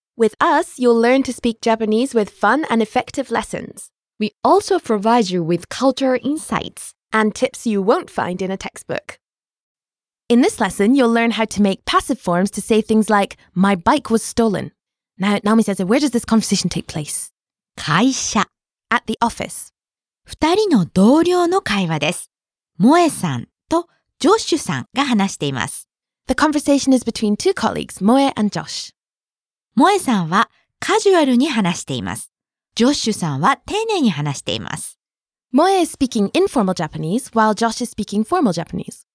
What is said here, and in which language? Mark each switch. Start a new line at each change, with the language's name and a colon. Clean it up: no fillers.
English: With us, you'll learn to speak Japanese with fun and effective lessons. We also provide you with cultural insights and tips you won't find in a textbook. In this lesson, you'll learn how to make passive forms to say things like, my bike was stolen. Now, Naomi says, where does this conversation take place?
Japanese: 会社.
English: At the office.
Japanese: 二人の同僚の会話です。萌えさんとジョッシュさんが話しています。
English: The conversation is between two colleagues, 萌え and Josh.
Japanese: 萌えさんはカジュアルに話しています。ジョッシュさんは丁寧に話しています。
English: 萌え is speaking informal Japanese, while Josh is speaking formal Japanese.